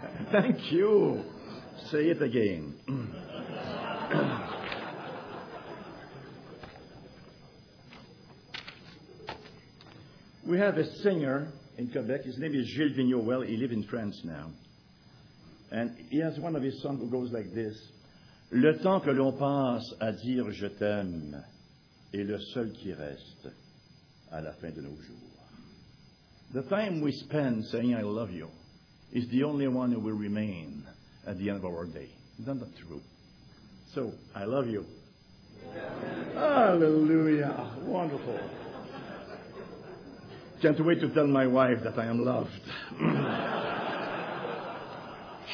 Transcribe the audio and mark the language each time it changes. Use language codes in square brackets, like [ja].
[en] Thank you. Say it again. We have a singer in Quebec. His name is Gilles Vigneault. Well, he lives in France now. And he has one of his songs who goes like this. [fr] Le temps que l'on passe à dire je t'aime... est le seul qui reste à la fin de nos jours. [en] The time we spend saying I love you is the only one who will remain at the end of our day. Isn't that true? So, I love you. Hallelujah. Wonderful. Can't wait to tell my wife that I am loved.